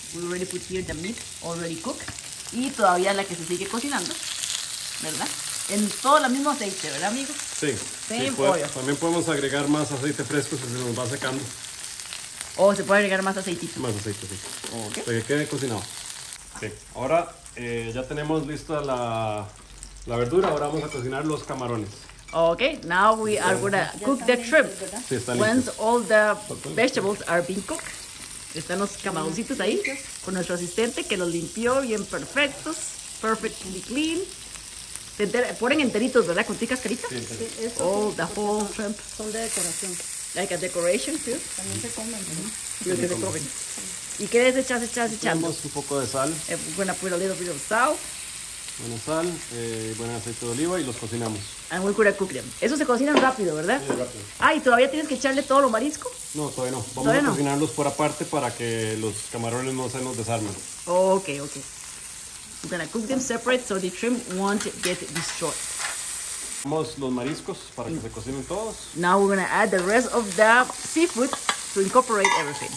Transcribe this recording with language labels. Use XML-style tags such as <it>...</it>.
<en>We already put here the meat, already cooked.</en> <es>Y todavía la que se sigue cocinando, ¿verdad? En todo el mismo aceite, ¿verdad, amigo? Sí. También podemos agregar más aceite fresco si se nos va secando. O se puede agregar más aceitito. Más aceite, sí. Okay. Para que quede cocinado. Sí. Ahora ya tenemos lista la verdura. Ahora vamos a cocinar los camarones. Ok.</es> <en>Now we are going to cook the shrimp.</en> <es>Sí, está listo.</es> <en>Once all the vegetables are being cooked.</en> <es>Están los camaroncitos ahí con nuestro asistente que los limpió bien perfectos,</es> <en>perfectly clean.</en> <es>Ponen enteritos, ¿verdad? Con ticas caritas. Sí,</es> <en>eso. All the whole shrimp.</en> <es>Son de decoración.</es> <en>Like a decoration, too.</en> <es>También se comen, ¿no? Y que se comen. ¿Y qué es echando? Echamos un poco de sal.</es> <en>We're going to put a little bit of salt.</en> <es>Buena sal, buen aceite de oliva y los cocinamos.</es> <en>And we're going to cook them.</en> <es>Eso se cocina rápido, ¿verdad? Sí, rápido. Ah, ¿y todavía tienes que echarle todo lo marisco? No, todavía no. Vamos a cocinarlos por aparte para que los camarones no se nos desarmen. Ok.</es> <en>We're going to cook them separate so the shrimp won't get destroyed.</en> <es>Vamos los mariscos para que se cocinen todos.</es> <en>Now we're going to add the rest of the seafood to incorporate everything.</en>